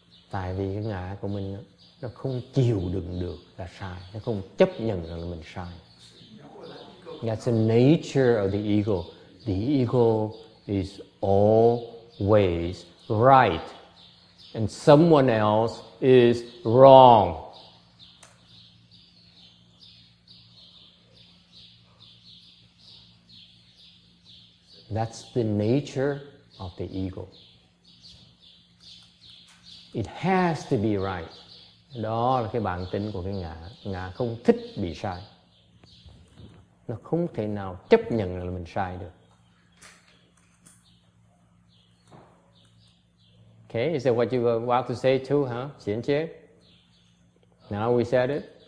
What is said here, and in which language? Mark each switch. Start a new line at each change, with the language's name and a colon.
Vietnamese: Tại vì cái ngã của mình nó không chịu đựng được là sai, nó không chấp nhận rằng là mình sai.
English: That's the nature of the ego. The ego is always right, and someone else is wrong. That's the nature of the ego. It has to be right.
Vietnamese: Đó là cái bản tính của cái ngã. Ngã không thích bị sai. Nó không thể nào chấp nhận là mình sai được.
English: Okay, is that what you were about to say too, huh?
Vietnamese: Xin chế?
English: Now we said it.